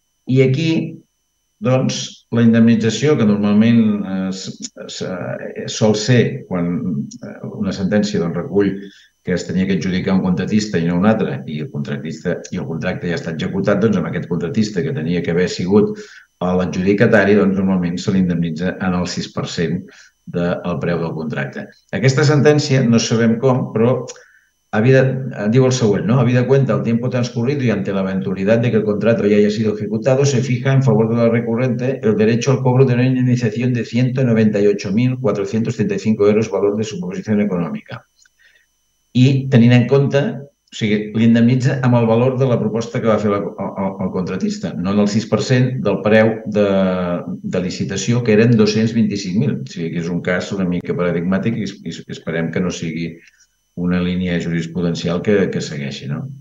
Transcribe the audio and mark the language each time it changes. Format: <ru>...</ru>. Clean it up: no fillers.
<ca>I aquí, doncs, la indemnització, que normalment sol ser quan una sentència doncs, recull que es tenia que adjudicar un contractista i no un altre, i el contracte ja està executat, doncs amb aquest contractista que tenia que haver sigut l'adjudicatari, doncs normalment se l'indemnitza en el 6% del preu del contracte. Aquesta sentència, no sabem com, però diu el següent, no?</ca> <es>Habida cuenta el tiempo transcurrido y ante la eventualidad de que el contrato ya haya sido ejecutado, se fija en favor de la recurrente el derecho al cobro de una indemnización de 198.435 euros valor de su posición económica.</es> <ca>I tenint en compte, o sigui, l'indemnitza amb el valor de la proposta que va fer el contratista, no en el 6% del preu de licitació, que eren 225.000. O sigui, que és un cas una mica paradigmàtic i esperem que no sigui una línia jurisprudencial que segueixi, no?</ca>